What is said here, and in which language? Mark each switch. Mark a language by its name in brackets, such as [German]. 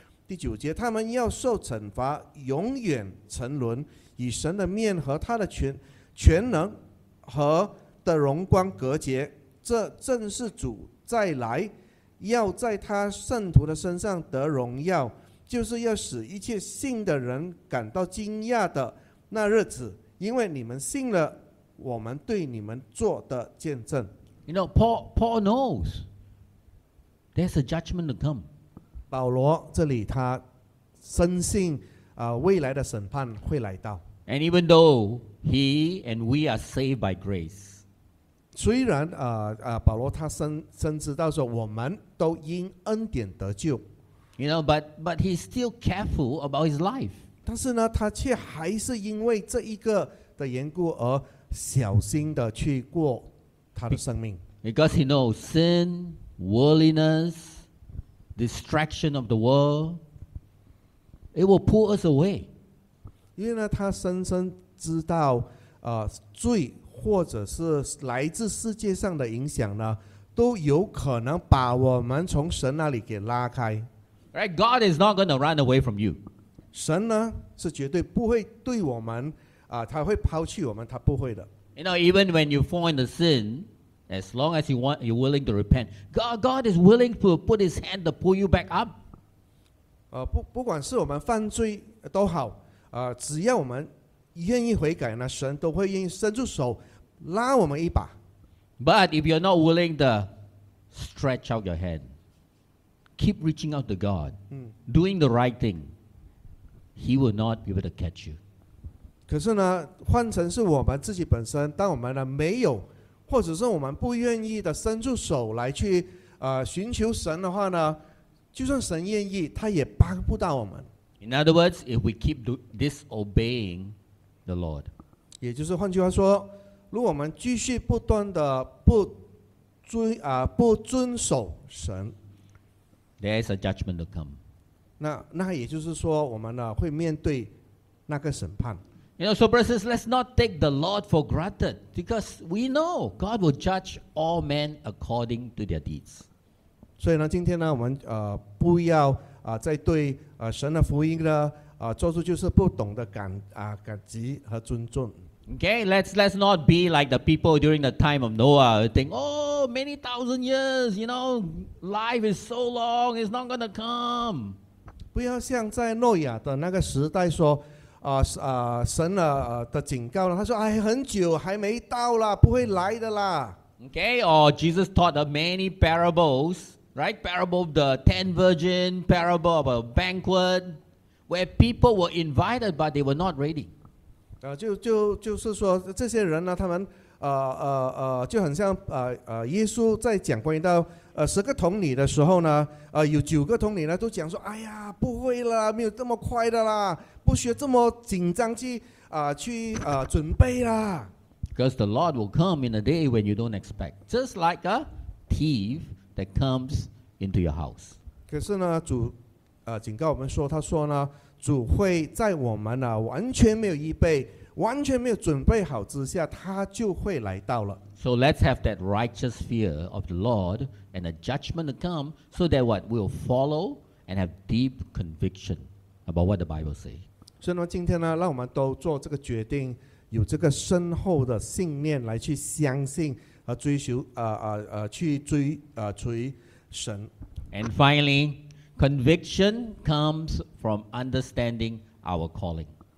[Chinese] 第九节，他们要受惩罚，永远沉沦，与神的面和他的 全能和的荣光隔绝。这正是主再来要在他圣徒的身上得荣耀，就是要使一切信的人感到惊讶的那日子，因为你们信了我们对你们做的见证。 [English] You know, Paul knows there's a judgment to come. [Chinese] 保罗这里他深信未来的审判会来到。 [English] And even though he and we are saved by grace, [Chinese] 虽然保罗他深知道说我们都因恩典得救。 [English] You know, but he's still careful about his life. [Chinese] 但是呢，他却还是因为这一个的缘故而小心的去过他的生命。 [English] Because he knows sin, worldliness, distraction of the world, it will pull us away. [Chinese] 因为呢，他深深知道，罪或者是来自世界上的影响呢，都有可能把我们从神那里给拉开。 [English] Right, God is not going to run away from you. [Chinese] 神呢是绝对不会对我们他会抛弃我们，他不会的。 [English] You know, even when you fall into sin, as long as you're willing to repent, God is willing to put His hand to pull you back up. [Chinese] 不管是我们犯罪都好，只要我们愿意悔改呢，神都会愿意伸出手拉我们一把。 [English] But if you're not willing to stretch out your hand. Keep reaching out to God, doing the right thing. He will not be able to catch you. [Chinese] 可是呢，换成是我们自己本身，当我们呢没有，或者是我们不愿意的伸出手来去寻求神的话呢，就算神愿意，他也帮不到我们。 [English] In other words, if we keep disobeying the Lord, [Chinese] 也就是换句话说，如果我们继续不断的不遵守神。 [English] There is a judgment to come. [Chinese] 那也就是说，我们呢会面对那个审判。 [English] You know, so brothers, let's not take the Lord for granted, because we know God will judge all men according to their deeds. [Chinese] 所以呢，今天呢，我们不要再对神的福音呢做出就是不懂的感激和尊重。 [English] Okay, let's not be like the people during the time of Noah who think, oh, many thousand years, you know, life is so long, it's not going to come. [Chinese] 不要像在诺亚的那个时代说，神的警告了，他说，哎，很久还没到啦，不会来的啦。 [English] Okay, or Jesus taught the many parables, right? Parable of the 10 virgins, parable of a banquet, where people were invited but they were not ready. [Chinese] 就是说这些人呢，他们就很像耶稣在讲关于到十个童女的时候呢，有九个童女呢都讲说，哎呀，不会啦，没有这么快的啦，不需要这么紧张去准备啦。 [English] Because the Lord will come in a day when you don't expect, just like a thief that comes into your house. [Chinese] 可是呢，主警告我们说，他说呢。主会在我们呢完全没有预备、完全没有准备好之下，他就会来到了。 [English] So let's have that righteous fear of the Lord and a judgment to come, so that what will follow and have deep conviction about what the Bible say. [Chinese] 所以呢，今天呢，让我们都做这个决定，有这个深厚的信念来去相信和追求去追神。 [English] And finally. Conviction comes from understanding our calling.